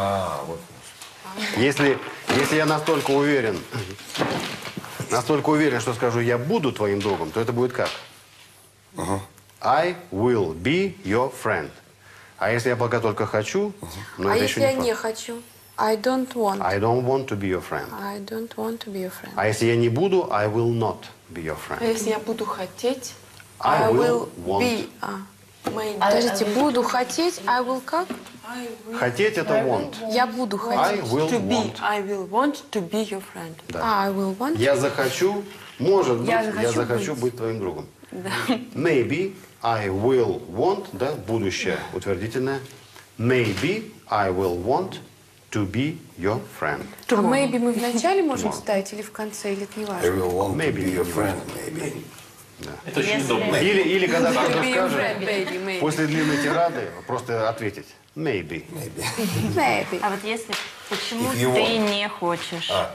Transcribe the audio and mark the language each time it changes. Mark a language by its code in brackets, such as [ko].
[ru] А, вот. Если я настолько уверен, что скажу я буду твоим другом, то это будет как? [en] I will be your friend. [ru] А если я пока только хочу, но это еще не факт. А если я не хочу? [en] I don't want. I don't want to be your friend. I don't want to be your friend. [ru] А если я не буду, [en] I will not be your friend. [ru] А если я буду хотеть, [en] I will be. [ru] Подождите, буду хотеть, [en] I will [ru] как? Хотеть это want. Я буду хотеть. [en] I will to be. Want. I will want to be your friend. [ru] Да. [en] I will want. [ru] Я захочу, может быть, я захочу быть твоим другом. Да. [en] Maybe I will want, [ru] да, будущее утвердительное. [en] Maybe I will want to be your friend. [ru] А maybe мы вначале можем ставить или в конце, или это не важно? [en] I will want maybe to be your friend, maybe. [ru] Да. Это очень удобно. Или когда кто-то скажет, после длинной тирады, просто ответить. [en] Maybe. Maybe. Maybe. [ru] А вот если, почему ты не хочешь?